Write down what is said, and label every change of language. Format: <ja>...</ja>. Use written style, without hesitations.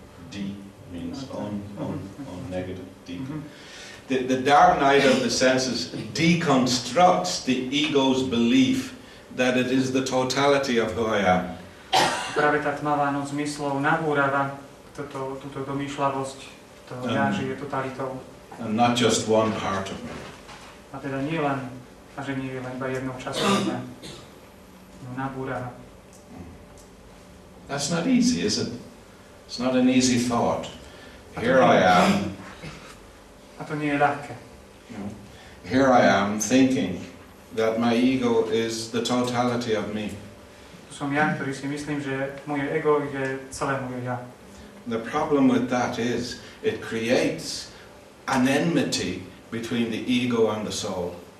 <en>D means on negative D. Mm-hmm. The dark night of the senses deconstructs the ego's belief that it is the totality of who I am.</en> <sk>Práve tá tmavá noc myslov nabúrava túto domýšľavosť toho ja, že je totalitou.</sk> <en>And not just one part of me.</en> <sk>A teda nie len, a že nie je len iba jednou časom mňa. Nabúrava.</sk> <en>That's not easy, is it? It's not an easy thought. Here I am.</en> <sk>A to nie je ľahké.</sk> <en>Here I am thinking that my ego is the totality of me.</en> <sk>Tu som ja, ktorý si myslím, že moje ego je celé moje ja.</sk> <en>The problem with that is it creates an enmity between the ego and the soul.</en>